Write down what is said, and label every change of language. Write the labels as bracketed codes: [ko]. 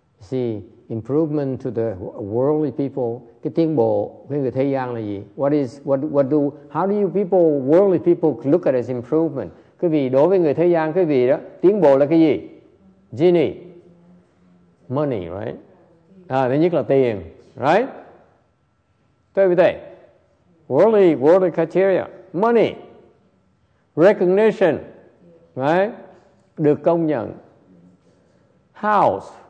[en] See, improvement to the worldly people, [vi] cái tiến bộ cái người thế gian là gì? [en] How do you people, worldly people look at as improvement? [vi] Quý vị, đối với người thế gian, quý vị đó, tiến bộ là cái gì? Genie. [en] Money, right? [vi] Thứ nhất là tiền, right? Tôi biết đây. [en] Worldly criteria. Money. Recognition. Right? [vi] Được công nhận. [en] House.